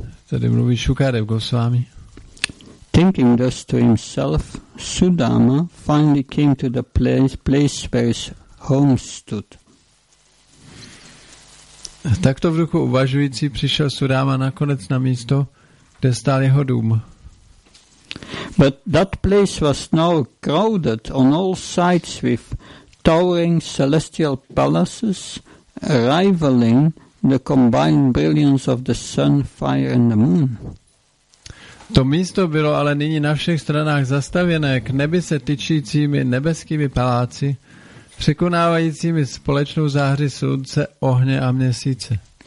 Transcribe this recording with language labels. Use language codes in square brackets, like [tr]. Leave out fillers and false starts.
[cs] Tady mluví Sukadev Goswami. [en] Thinking thus to himself, Sudama finally came to the place where his home stood. [cs] Takto v duchu uvažující přišel Sudama nakonec na místo, kde stál jeho dům. [en] But that place was now crowded on all sides with towering celestial palaces, rivaling the combined brilliance of the sun, fire and the moon. [cs] To místo bylo ale nyní na všech stranách zastavěné k nebi se tyčícími nebeskými paláci, překonávajícími společnou záhry slunce, ohně a měsíce.